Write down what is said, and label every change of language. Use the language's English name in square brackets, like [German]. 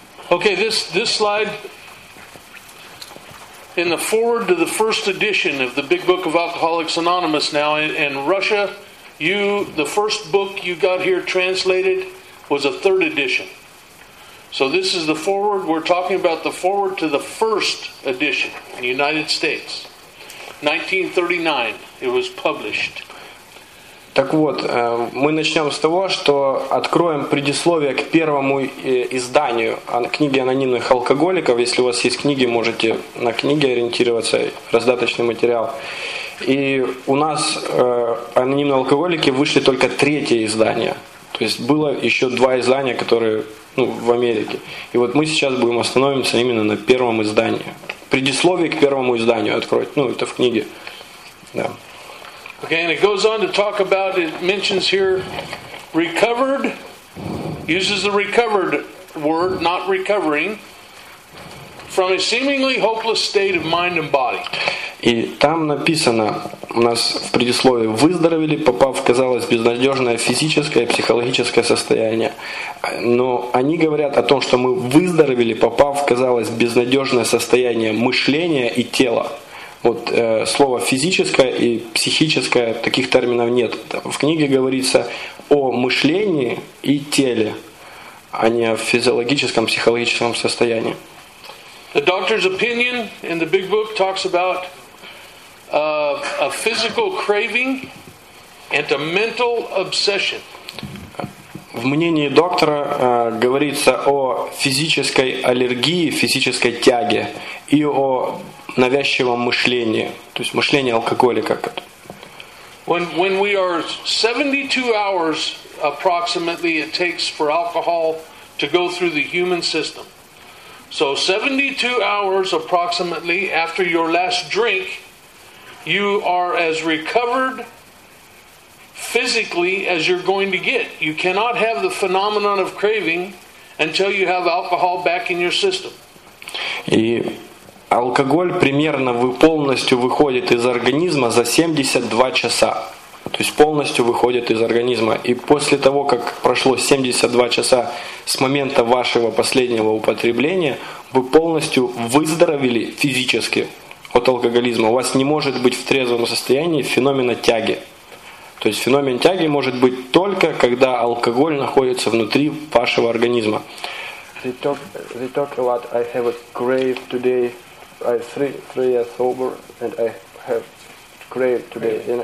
[English] Okay, this slide in the foreword to the first edition of the Big Book of Alcoholics Anonymous now in Russia, the first book you got here translated was a third edition. So this is the foreword, we're talking about the foreword to the first edition in the United States. 1939, it was published. [Russian] Так вот, мы начнем с того, что откроем предисловие к первому изданию книги анонимных алкоголиков. Если у вас есть книги, можете на книге ориентироваться, раздаточный материал. И у нас анонимные алкоголики вышли только третье издание. То есть было еще два издания, которые в Америке. И вот мы сейчас будем остановимся именно на первом издании. Предисловие к первому изданию откроете. Это в книге. Да. [English] Okay, and it goes on to talk about, it mentions here, recovered, uses the recovered word, not recovering, from a seemingly hopeless state of mind and body. [Russian] И там написано, у нас в предисловии, выздоровели, попав в, казалось, безнадежное физическое и психологическое состояние. Но они говорят о том, что мы выздоровели, попав в, казалось, безнадежное состояние мышления и тела. Вот слово «физическое» и «психическое» таких терминов нет. В книге говорится о мышлении и теле, а не о физиологическом, психологическом состоянии. [English] The doctor's opinion in the big book talks about a physical craving and a mental obsession. [Russian] В мнении доктора говорится о физической аллергии, физической тяге и о навязчивом мышлении, то есть мышление алкоголика. [English] When we are 72 hours approximately it takes for alcohol to go through the human system. So 72 hours approximately after your last drink, you are as recovered physically as you're going to get. You cannot have the phenomenon of craving until you have alcohol back in your system. [Russian] И алкоголь примерно вы полностью выходит из организма за 72 часа. То есть полностью выходит из организма. И после того, как прошло 72 часа с момента вашего последнего употребления, вы полностью выздоровели физически от алкоголизма. У вас не может быть в трезвом состоянии феномена тяги. То есть феномен тяги может быть только, когда алкоголь находится внутри вашего организма. [English] They talk a lot. I have a crave today. I three years sober and I have crave today,